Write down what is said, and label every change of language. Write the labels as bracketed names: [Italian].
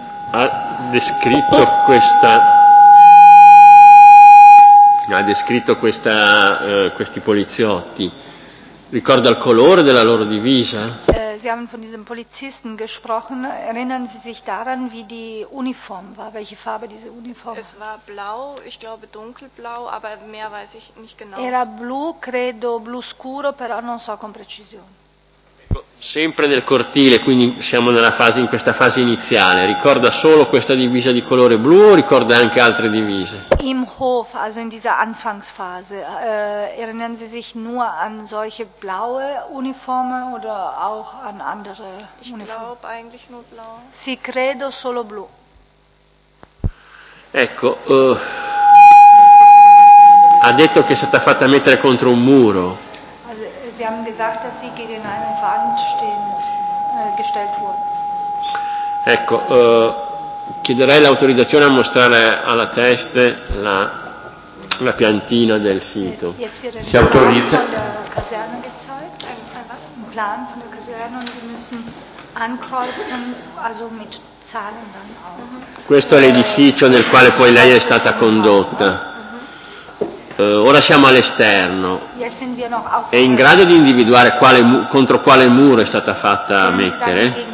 [Italian] Ha descritto questi poliziotti. Ricorda il colore della loro divisa? [German] Sie haben von diesen Polizisten gesprochen. Erinnern Sie sich daran, wie die Uniform war? Welche Farbe diese Uniform? Es war blau, ich glaube dunkelblau, aber mehr weiß ich nicht genau. [Italian] Era blu, credo blu scuro, però non so con precisione. Sempre nel cortile, quindi siamo nella fase, in questa fase iniziale. Ricorda solo questa divisa di colore blu o ricorda anche altre divise? [German] Im Hof, also in dieser Anfangsphase, erinnern Sie sich nur an solche blaue Uniformen oder auch an andere Uniformen? Ich glaube eigentlich nur blau. [Italian] Sì, credo solo blu. Ecco, ha detto che è stata fatta mettere contro un muro. [German] Sie haben gesagt, dass sie gegen einen Wand stehen mussten, gestellt wurden. [Italian] Ecco, chiederei l'autorizzazione a mostrare alla teste la piantina del sito. Si autorizza. [German] Un plan von der Kaserne und Sie müssen ankreuzen, also mit Zahlen dann auch. [Italian] Questo è l'edificio nel quale poi lei è stata condotta. Ora siamo all'esterno. È in grado di individuare quale contro quale muro è stata fatta mettere?